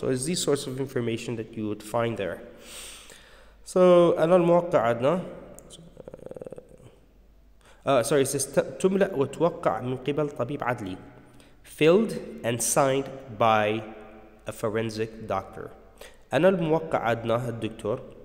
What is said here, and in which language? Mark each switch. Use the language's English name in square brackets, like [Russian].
[English] So it's these sorts of information that you would find there. [Arabic] So أنا الموقع عدنا. [English] Sorry, it says [Arabic] تملأ وتوقع من قبل طبيب عدلي. [English] Filled and signed by a forensic doctor. [Arabic] أنا الموقع عدنا الدكتور.